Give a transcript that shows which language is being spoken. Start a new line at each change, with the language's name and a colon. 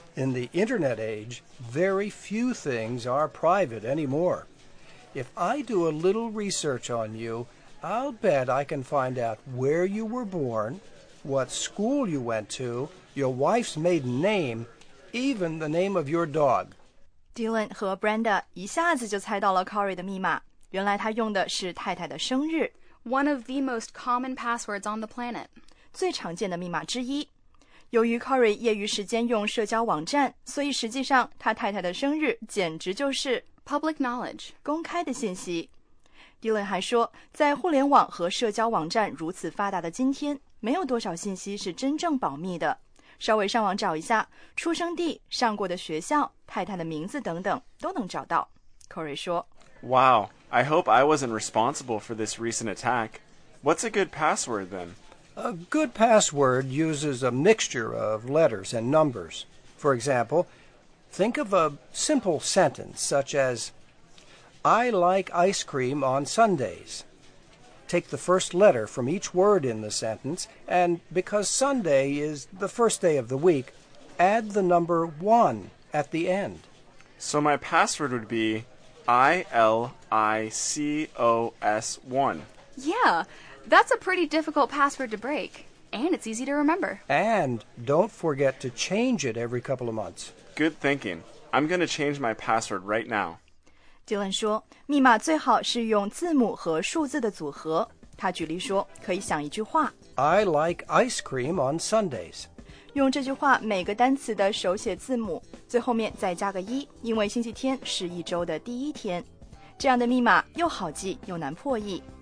English: In the internet age, very few things are private anymore. If I do a little research on you, I'll bet I can find out where you were born, what school you went to, your wife's maiden name,Even the name of your dog.
Chinese: Dylan 和 Brenda 一下子就猜到了 Corey 的密码。原来他用的是太太的生日。
English: One of the most common passwords on the planet.
Chinese: 最常见的密码之一。由于 Corey 业余时间用社交网站，所以实际上他太太的生日简直就是
English: public knowledge,
Chinese: 公开的信息。 Dylan 还说，在互联网和社交网站如此发达的今天，没有多少信息是真正保密的。稍微上网找一下，出生地、上过的学校、太太的名字等等，都能找到。 Corey 说
English: ：“Wow, I hope I wasn't responsible for this recent attack. What's a good password then? A good password uses a mixture of letters and numbers. For example, think of a simple sentence such as, 'I like ice cream on Sundays.' Take the first letter from each word in the sentence, and because Sunday is the first day of the week, add the number 1 at the end. So my password would be ILICOS1. Yeah, that's a pretty difficult password to break, and it's easy to remember. And don't forget to change it every couple of months. Good thinking. I'm going to change my password right now.
Chinese: Dylan 说，密码最好是用字母和数字的组合。他举例说，可以想一句话
English: ：I like ice cream on Sundays。
Chinese: 用这句话每个单词的手写字母，最后面再加个一，因为星期天是一周的第一天。这样的密码又好记又难破译。